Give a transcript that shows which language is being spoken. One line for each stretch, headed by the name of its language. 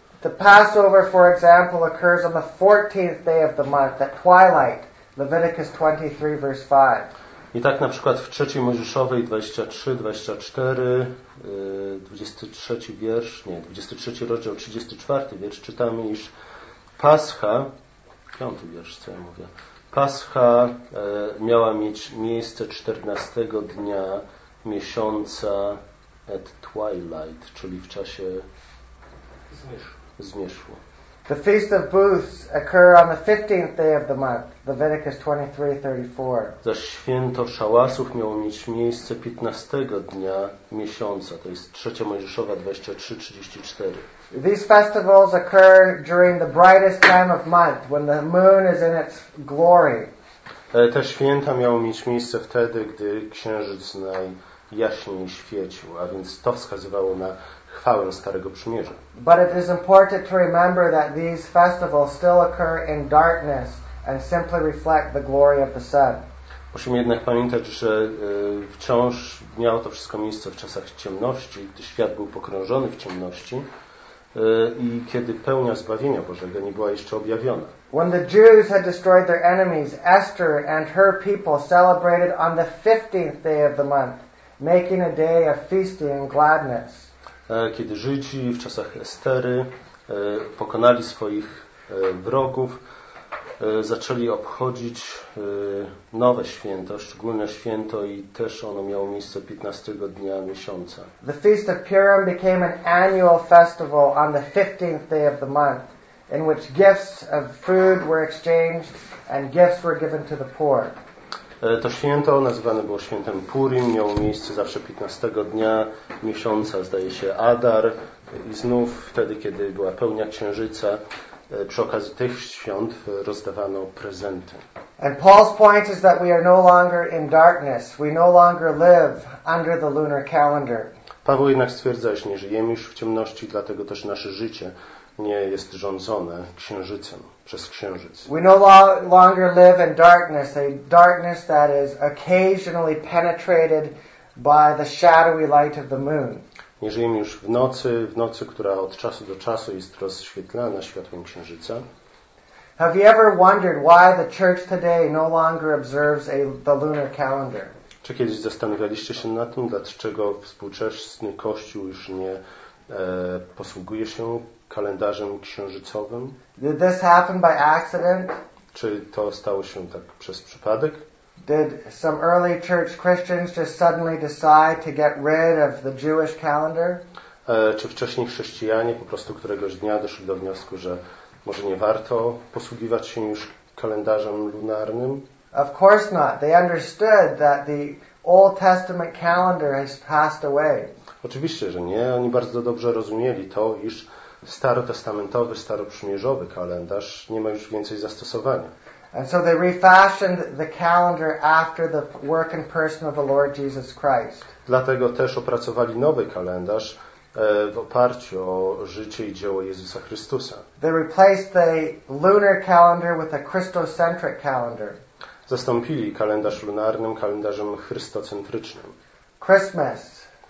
English: The Passover, for example, occurs on the 14th day of the month at twilight, Leviticus 23, verse 5.
Polish: I tak na przykład w 3 Mojżeszowej 23, 24, 23 rozdział 34 wiersz czytamy, iż Pascha, 5 wiersz, co ja mówię, Pascha miała mieć miejsce 14 dnia miesiąca
English: at twilight,
Polish: czyli w czasie zmierzchu.
English: The Feast of Booths occur on the 15th day of the month, Leviticus 23:34.
Polish: Zaś święto szałasów miało mieć miejsce 15 dnia miesiąca, to jest 3 Mojżeszowa 23:34.
English: These festivals occur during the brightest time of month, when the moon is in its glory.
Polish: Te święta miały mieć miejsce wtedy, gdy księżyc najjaśniej świecił, a więc to wskazywało na chwałę Starego Przymierza.
English: But it is important to remember that these festivals still occur in darkness and simply reflect the glory of the sun.
Polish: Musimy jednak pamiętać, że wciąż miało to wszystko miejsce w czasach ciemności, gdy świat był pokrążony w ciemności i kiedy pełnia zbawienia Bożego nie była jeszcze objawiona.
English: When the Jews had destroyed their enemies, Esther and her people celebrated on the 15th day of the month, making a day of feasting and gladness.
Polish: Kiedy Żydzi w czasach Estery pokonali swoich wrogów, zaczęli obchodzić nowe święto, szczególne święto i też ono miało miejsce 15 dnia miesiąca.
English: The Feast of Purim became an annual festival on the 15th day of the month, in which gifts of food were exchanged and gifts were given to the poor.
Polish: To święto, nazywane było świętem Purim, miało miejsce zawsze 15 dnia miesiąca, zdaje się, Adar. I znów wtedy, kiedy była pełnia księżyca, przy okazji tych świąt rozdawano prezenty.
English: And Paul's point is that we are no longer in darkness. We no longer live under the lunar calendar.
Polish: Paweł jednak stwierdza, że nie żyjemy już w ciemności, dlatego też nasze życie nie jest rządzone księżycem, przez księżyc.
English: We no longer live in darkness, a darkness that is occasionally penetrated by the shadowy light of the moon.
Polish: Nie żyjemy już w nocy, która od czasu do czasu jest rozświetlana światłem księżyca.
English: Have you ever wondered why the church today no longer observes the lunar calendar?
Polish: Czy kiedyś zastanawialiście się nad tym, dlaczego współczesny Kościół już nie posługuje się kalendarzem księżycowym?
English: Did this happen by accident?
Polish: Czy to stało się tak przez przypadek?
English: Did some early church Christians just suddenly decide to get rid of the Jewish calendar?
Polish: Czy wcześniej chrześcijanie po prostu któregoś dnia doszli do wniosku, że może nie warto posługiwać się już kalendarzem lunarnym?
English: Of course not. They understood that the Old Testament calendar has passed away.
Polish: Oczywiście, że nie. Oni bardzo dobrze rozumieli to, iż starotestamentowy, staroprzymierzowy kalendarz nie ma już więcej zastosowania.
English: And so they refashioned the calendar after the work and person of the Lord Jesus Christ.
Polish: Dlatego też opracowali nowy kalendarz w oparciu o życie i dzieło Jezusa Chrystusa.
English: They replaced the lunar calendar with a Christocentric calendar.
Polish: Zastąpili kalendarz lunarnym kalendarzem chrystocentrycznym.
English: Christmas.